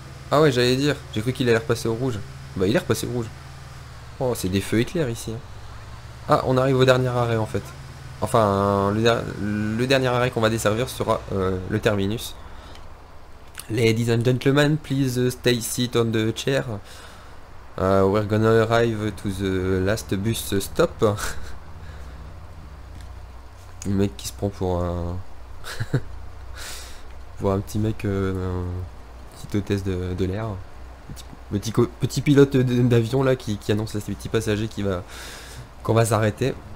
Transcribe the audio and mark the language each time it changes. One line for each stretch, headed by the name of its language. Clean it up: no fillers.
French: Ah ouais, j'allais dire. J'ai cru qu'il allait repasser au rouge. Bah, il est repassé au rouge. Oh, c'est des feux éclairs ici. Ah, on arrive au dernier arrêt en fait. Enfin, le dernier arrêt qu'on va desservir sera le terminus.
English: Ladies and gentlemen, please stay seat on the chair. We're gonna arrive to the last bus stop.
French: Le mec qui se prend pour un... pour un petit mec, petite hôtesse de l'air. Petit pilote d'avion là qui annonce à ses petits passagers qu'on va s'arrêter.